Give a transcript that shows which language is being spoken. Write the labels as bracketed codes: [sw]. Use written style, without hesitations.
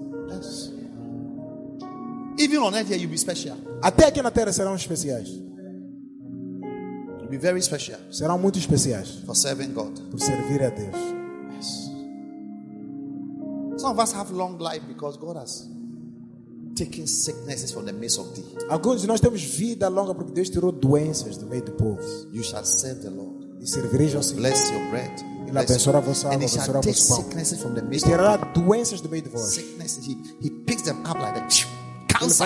[en] Yes. Even on earth, you'll be special. [pt] Até aqui na Terra serão especiais. [en] You'll be very special. [pt] Serão muito especiais. [en] For serving God. [pt] Por servir a Deus. [en] Yes. Some of us have long life because God has taking sicknesses from the midst of thee. [pt] Alguns de nós temos vida longa porque Deus tirou doenças do meio do povo. [en] You shall serve the Lord. [pt] E servireis ao Senhor. [en] Bless your bread. [pt] Ele abençoará a vossa alma, abençoará a vossa pão. E tirará doenças do meio de vós. [en] Sicknesses, he picks them up like that. Cancer